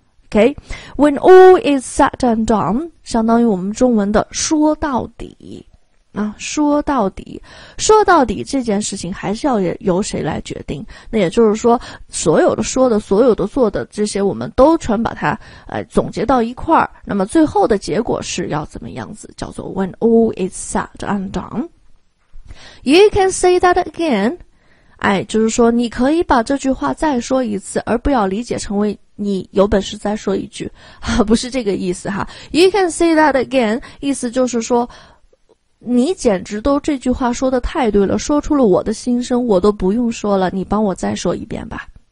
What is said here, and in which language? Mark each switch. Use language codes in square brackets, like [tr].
[en] OK，When all is said and done， [zh] 相当于我们中文的说到底。啊，说到底，说到底这件事情还是要由谁来决定？那也就是说，所有的说的、所有的做的这些，我们都全把它总结到一块儿。那么最后的结果是要怎么样子？叫做 [en] "When all is said and done, you can say that again." [zh] 哎，就是说你可以把这句话再说一次，而不要理解成为。你有本事再说一句，啊，不是这个意思哈。 [en] You can say that again， [zh] 意思就是说，你简直都这句话说得太对了，说出了我的心声，我都不用说了，你帮我再说一遍吧。